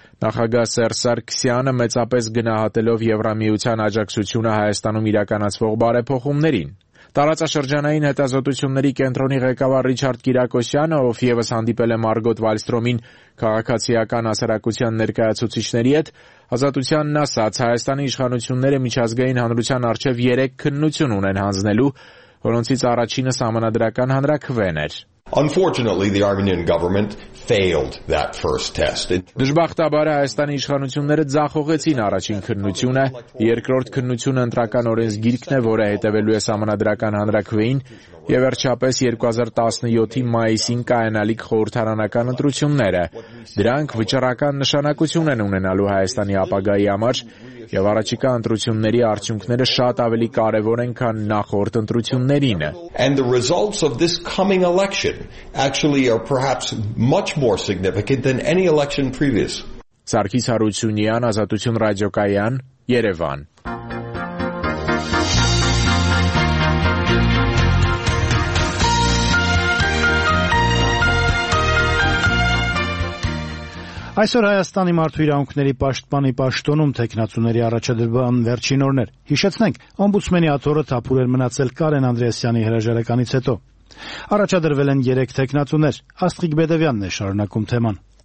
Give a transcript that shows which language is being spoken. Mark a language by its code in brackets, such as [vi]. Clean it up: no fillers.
[hy] նախագահ Սերժ Սարգսյանը, մեծապես գնահատելով Եվրամիության աջակցությունը Հայաստանում իրականացվող բարեփոխումներին։ Տարածաշրջանային հետազոտությունների կենտրոնի ղեկավար Ռիչարդ Կիրակոսյանը, ով ևս հանդիպել է Մարգոտ Վալստրոմին քաղաքացիական հասարակության ներկայացուցիչների հետ, ազատությանն ասաց, Հայաստանի իշխանությունները միջազգային հանրության առջև 3 քննություն ունեն հանձնելու, որոնցից առաջինը սահմանադրական հանրաքվեն էր։ [en] Unfortunately, the Armenian government failed that first test. [hy] Դժբախտաբար Հայաստանի իշխանությունները ձախողեցին առաջին քննությունը, երկրորդ քննությունը ընտրական օրենսգիրքն է, որը հետևելու է Սահմանադրական Հանրաքվեին, եւ վերջապես 2017-ի մայիսին կայանալիք խորհրդարանական ընտրությունները։ Դրանք վճռական նշանակություն են ունենալու Հայաստանի ապագայի համար, եւ առաջիկա ընտրությունների արդյունքները շատ ավելի կարևոր են, քան նախորդ ընտրություններին։ [en] And the results of this coming election actually are perhaps much more significant than any election previous. [hy] Սարգիս Հարությունյան, Ազատություն ռադիոկայան, Երևան։ Այսօր Հայաստանի մարդու իրավունքների պաշտպանի պաշտոնում թեկնածուների առաջադրման վերջին օրն էր։ Հիշեցնենք, օմբուդսմենի աթոռը թափուր էր մնացել Կարեն Անդրեասյանի հրաժարականից հետո։ Առաջադրվել են 3 թեկնածուներ։ Աստղիկ Բեդևյանն է շարունակում թեման։